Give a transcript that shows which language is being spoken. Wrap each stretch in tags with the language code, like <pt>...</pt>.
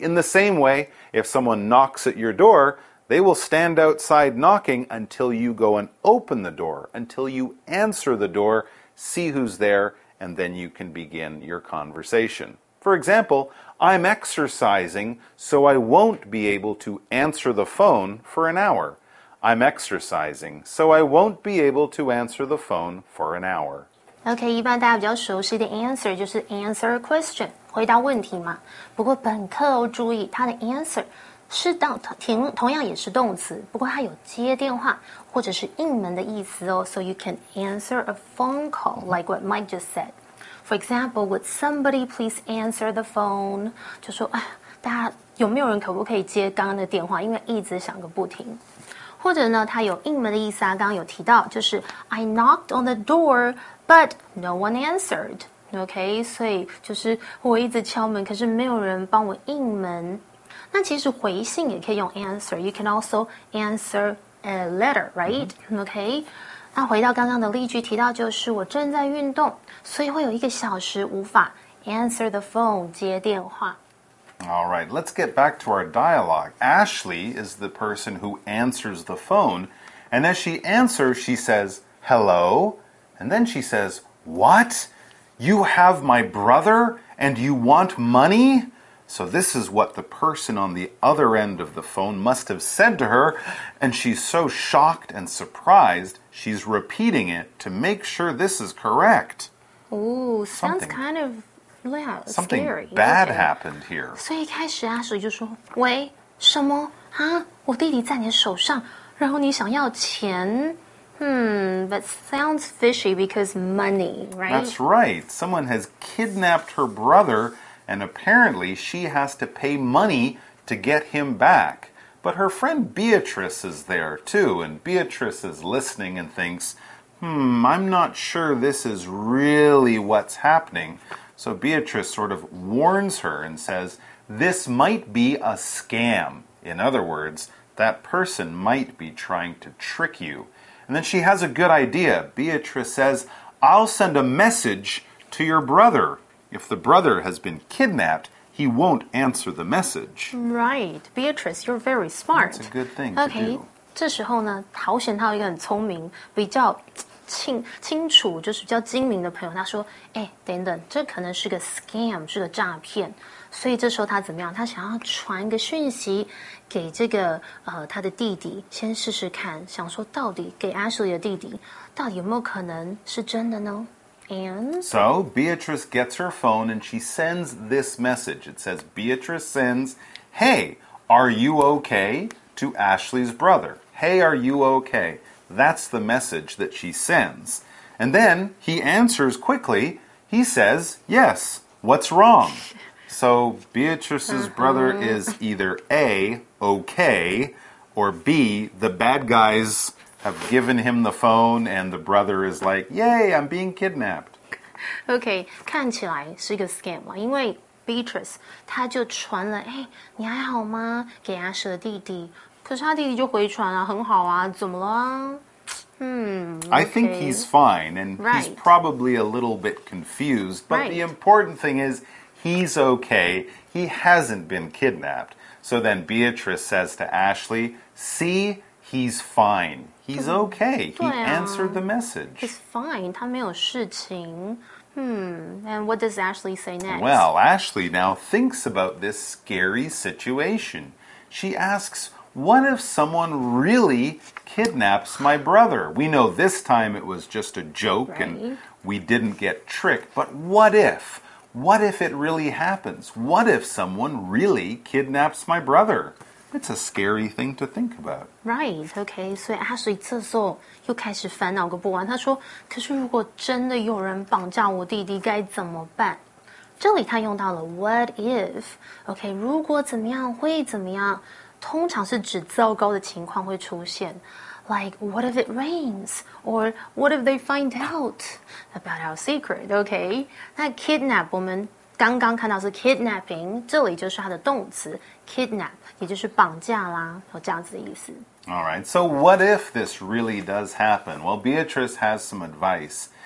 <en>In the same way, if someone knocks at your door,They will stand outside knocking until you go and open the door, until you answer the door, see who's there, and then you can begin your conversation. For example, I'm exercising, so I won't be able to answer the phone for an hour. I'm exercising, so I won't be able to answer the phone for an hour.</en> <zh>OK, 一般大家比较熟悉的 answer 就是</zh> <en>answer a question,</en> <zh>回答问题嘛。不过本课哦，注意它的 answer,是同样也是动词，不过它有接电话或者是应门的意思哦。</zh> <en>So you can answer a phone call, like what Mike just said. For example, would somebody please answer the phone?</en> <zh>就说，哎，大家有没有人可不可以接刚刚的电话？因为一直响个不停。或者呢，它有应门的意思啊。刚刚有提到，就是</zh> <en>I knocked on the door, but no one answered.</en> <zh>OK, 所以就是我一直敲门，可是没有人帮我应门。那其实回信也可以用</zh> <en>answer. You can also answer a letter, right? OK.</en> <zh>那回到刚刚的例句提到就是我正在运动，所以会有一个小时无法</zh> <en>answer the phone,</en> <zh>接电话。</zh> <en>All right, let's get back to our dialogue. Ashley is the person who answers the phone. And as she answers, she says, hello. And then she says, what? You have my brother and you want money? So this is what the person on the other end of the phone must have said to her, and she's so shocked and surprised, she's repeating it to make sure this is correct. Ooh, sounds kind of scary. Something bad happened here.</en> <zh>所以一开始 Ashley 就说，喂，什么？啊，我弟弟在你手上，然后你想要钱？</zh> <en>But sounds fishy because money, right? That's right. Someone has kidnapped her brother, and apparently she has to pay money to get him back. But her friend Beatrice is there, too, and Beatrice is listening and thinks, I'm not sure this is really what's happening. So Beatrice sort of warns her and says, this might be a scam. In other words, that person might be trying to trick you. And then she has a good idea. Beatrice says, I'll send a message to your brother. If the brother has been kidnapped, he won't answer the message. Right. Beatrice, you're very smart. That's a good thing to do. Okay.</en> <zh>这时候呢，陶贤浩一个很聪明，比较清楚，就是比较精明的朋友，他说，等等，这可能是个 scam, 是个诈骗。所以这时候他怎么样？他想要传个讯息给这个他的弟弟，先试试看，想说到底给 Ashley 的弟弟到底有没有可能是真的呢？</zh> <en>And so Beatrice gets her phone and she sends this message. It says Beatrice sends, "Hey, are you okay?" to Ashley's brother. "Hey, are you okay?" That's the message that she sends. And then he answers quickly. He says, "Yes. What's wrong?" So Beatrice's brother is either A, okay, or B, the bad guys have given him the phone and the brother is like, yay, I'm being kidnapped.</en> <zh>Okay, 看起来是一个 scam, 因为 Beatrice, 他就传了，你还好吗？给 Ashley 的弟弟。可是他弟弟就回传啊，很好啊，怎么了啊？</zh> <en>I think he's fine, and he's probably a little bit confused, but the important thing is,He's okay. He hasn't been kidnapped. So then Beatrice says to Ashley, see, he's fine. He's okay. He answered the message. He's fine.</en> <zh>他没有事情。</zh> <en>And what does Ashley say next? Well, Ashley now thinks about this scary situation. She asks, what if someone really kidnaps my brother? We know this time it was just a joke and we didn't get tricked. But what if... What if it really happens? What if someone really kidnaps my brother? It's a scary thing to think about.</en> <zh>Right, okay. So Ashley 这时候又开始烦恼个不完。他说，可是如果真的有人绑架我弟弟该怎么办？这里他用到了 what if. Okay, 如果怎么样会怎么样，通常是指糟糕的情况会出现。</zh> <en>Like, what if it rains? Or what if they find out about our secret, okay?</en> <zh>那 kidnap, 我们刚刚看到是 kidnapping, 这里就是它的动词 kidnap, 也就是绑架啦，有这样子的意思。</zh> <en>All right, so what if this really does happen? Well, Beatrice has some advice.</en>